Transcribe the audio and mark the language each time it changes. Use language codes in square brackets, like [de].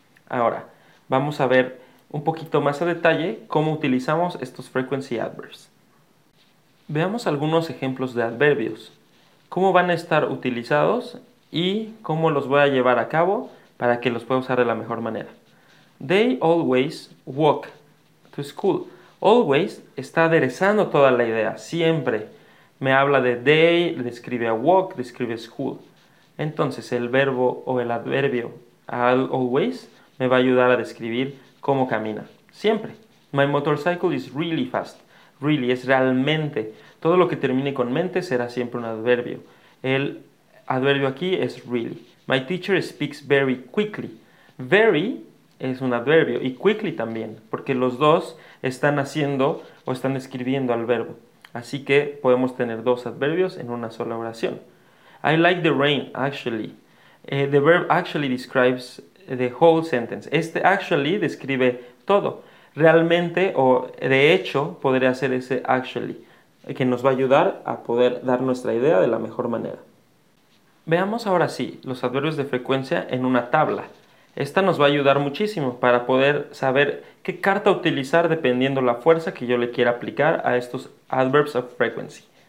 [es] Ahora, vamos a ver un poquito más a detalle cómo utilizamos estos [en] frequency adverbs. [es] Veamos algunos ejemplos de adverbios, cómo van a estar utilizados y cómo los voy a llevar a cabo para que los pueda usar de la mejor manera. [en] They always walk to school. [es] Always está aderezando toda la idea, siempre. Me habla de they, describe a walk, describe school. Entonces el verbo o el adverbio always me va a ayudar a describir cómo camina. Siempre. [en] My motorcycle is really fast. Really [es] es realmente. Todo lo que termine con mente será siempre un adverbio. El adverbio aquí es really. [en] My teacher speaks very quickly. [es] Very es un adverbio y quickly también, porque los dos están haciendo o están escribiendo al verbo. Así que podemos tener dos adverbios en una sola oración. [en] I like the rain, actually. The verb actually describes the whole sentence. [es] Este actually describe todo. Realmente o de hecho podría hacer ese actually, que nos va a ayudar a poder dar nuestra idea de la mejor manera. Veamos ahora sí los adverbios de frecuencia en una tabla. Esta nos va a ayudar muchísimo para poder saber qué carta utilizar dependiendo la fuerza que yo le quiera aplicar a estos [en] adverbs of frequency.